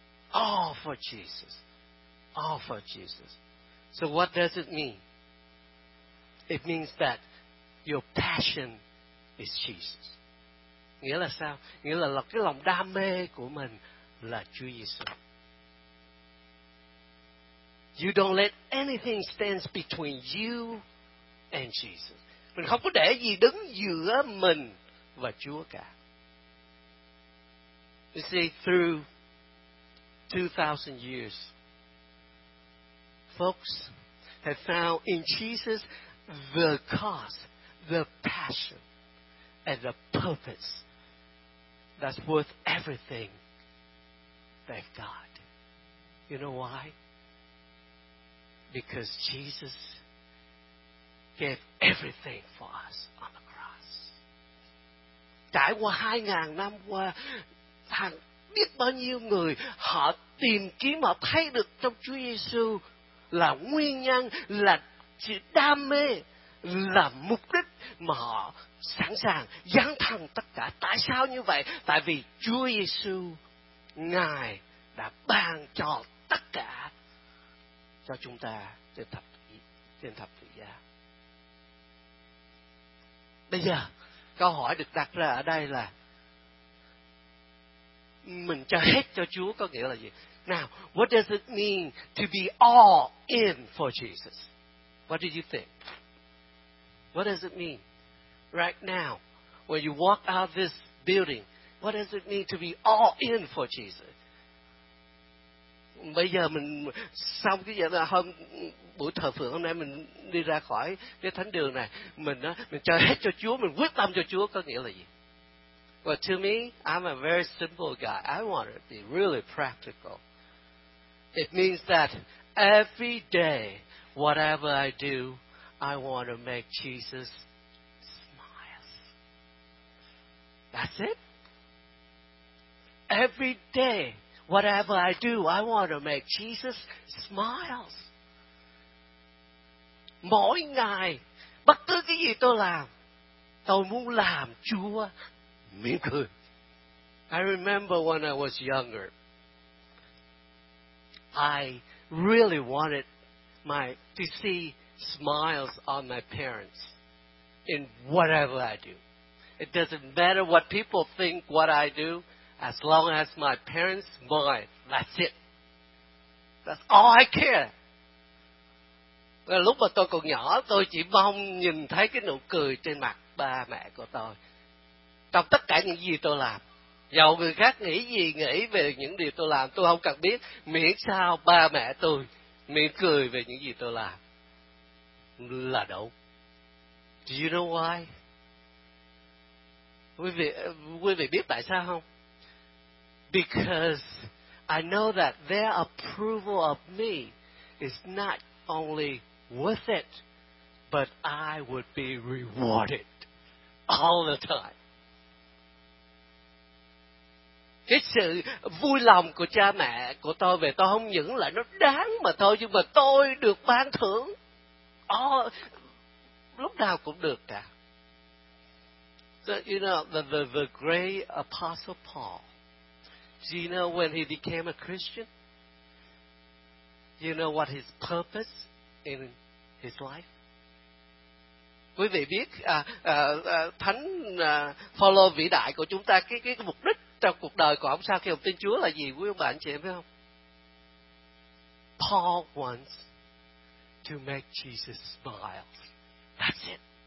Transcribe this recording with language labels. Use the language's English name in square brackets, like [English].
[English] All for Jesus. All for Jesus. So what does it mean? It means that your passion is Jesus. [Vietnamese] Nghĩa là sao? Nghĩa là cái lòng đam mê của mình là Chúa Jesus. [English] You don't let anything stand between you and Jesus. [Vietnamese] Mình không có để gì đứng giữa mình và Chúa cả. [English] You see, through 2,000 years, folks have found in Jesus the cause, the passion, and the purpose that's worth everything they've got. You know why? Because Jesus gave everything for us on the cross. [Vietnamese] Trải qua 2,000 năm qua, hàng biết bao nhiêu người họ tìm kiếm, họ thấy được trong Chúa Giêsu là nguyên nhân, là sự đam mê, là mục đích mà họ sẵn sàng dâng thân tất cả. Tại sao như vậy? Tại vì Chúa Giêsu, Ngài đã ban cho tất cả cho chúng ta trên thập tự giá. Bây giờ, câu hỏi được đặt ra ở đây là mình cho hết cho Chúa có nghĩa là gì? [English] Now, what does it mean to be all in for Jesus? What do you think? What does it mean? Right now, when you walk out of this building, what does it mean to be all in for Jesus? [Vietnamese] Bây giờ mình xong cái giờ là hôm buổi thờ phượng hôm nay mình đi ra khỏi cái thánh đường này, mình cho hết cho Chúa, mình quyết tâm cho Chúa có nghĩa là gì? [English] Well, to me, I'm a very simple guy. I want to be really practical. It means that every day, whatever I do, I want to make Jesus smile. That's it. Every day, whatever I do, I want to make Jesus smile. [Vietnamese] Mỗi ngày, bất cứ cái gì tôi muốn làm Chúa mỉm cười. [English] I remember when I was younger, I really wanted to see smiles on my parents in whatever I do. It doesn't matter what people think what I do, as long as my parents smile, that's it. That's all I care. [Vietnamese] Lúc mà tôi còn nhỏ, tôi chỉ mong nhìn thấy cái nụ cười trên mặt ba mẹ của tôi trong tất cả những gì tôi làm. Dù người khác nghĩ gì, nghĩ về những điều tôi làm, tôi không cần biết, miễn sao ba mẹ tôi mỉm cười về những gì tôi làm là đủ. [English] Do you know why? [Vietnamese] Quý vị biết tại sao không? [English] Because I know that their approval of me is not only worth it, but I would be rewarded all the time. [Vietnamese] Cái sự vui lòng của cha mẹ của tôi về tôi không những là nó đáng mà thôi, nhưng mà tôi được ban thưởng lúc nào cũng được cả. [English] So, you know, the great Apostle Paul, do you know when he became a Christian? Do you know what his purpose in his life? [Vietnamese] Quý vị biết Thánh Phaolô vĩ đại của chúng ta, cái mục đích trong cuộc đời của ông sau khi ông tin Chúa là gì, quý ông bà anh chị em biết không? [English] Paul wants to make Jesus smile. That's it.